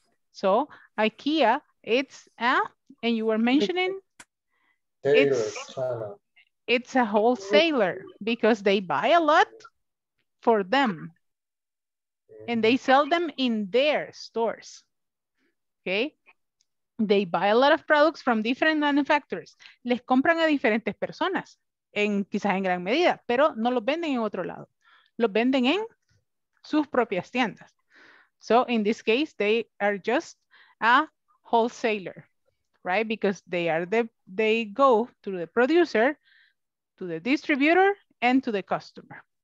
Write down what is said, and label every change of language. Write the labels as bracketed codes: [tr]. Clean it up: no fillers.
[en] So IKEA, it's a, and you were mentioning, it's a wholesaler because they buy a lot for them. And they sell them in their stores, okay? They buy a lot of products from different manufacturers. [es] Les compran a diferentes personas, en, quizás en gran medida, pero no los venden en otro lado. Los venden en sus propias tiendas. [en] So in this case, they are just a wholesaler, right? Because they are the, they go to the producer, to the distributor, and to the customer.